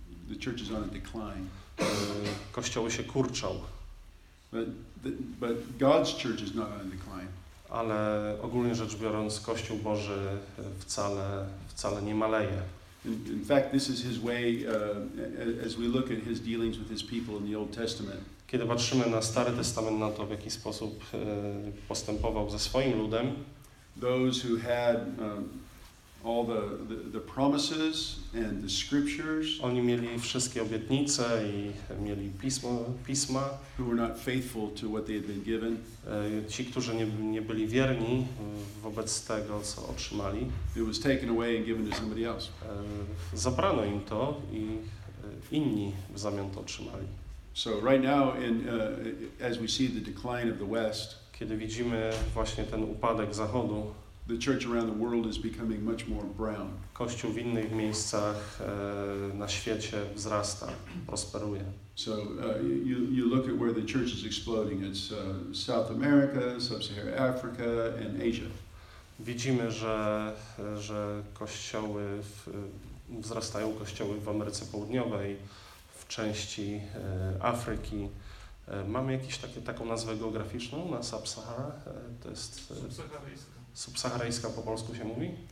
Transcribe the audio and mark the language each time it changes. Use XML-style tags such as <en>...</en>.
<en>The church is on a decline.</en> <pl>Kościoły się kurczą.</pl> <en>But God's church is not on a decline.</en> <pl>Ale ogólnie rzecz biorąc, Kościół Boży wcale nie maleje.</pl> <en>In fact, this is his way as we look at his dealings with his people in the Old Testament.</en> <pl>Kiedy patrzymy na Stary Testament, na to, w jaki sposób postępował ze swoim ludem.</pl> <en>Those who had all the promises and the scriptures.</en> <pl>Oni mieli wszystkie obietnice i mieli pisma.</pl> <en>Who were not faithful to what they had been given.</en> <pl>Ci, którzy nie byli wierni wobec tego, co otrzymali.</pl> <en>It was taken away and given to somebody else.</en> <pl>Zabrano im to i inni w zamian to otrzymali.</pl> <en>So right now, as we see the decline of the West.</en> <pl>Kiedy widzimy właśnie ten upadek zachodu,</pl> <en>the church around the world is becoming much more brown.</en> <pl>Kościół w innych miejscach na świecie wzrasta, prosperuje.</pl> <en>So you look at where the church is exploding. It's South America, Sub-Saharan Africa and Asia.</en> <pl>Widzimy, że kościoły wzrastają kościoły w Ameryce Południowej, w części Afryki. Mamy jakieś taką nazwę geograficzną na Sub-Sahara? To jest subsaharyjska. Subsaharyjska po polsku się mówi.</pl>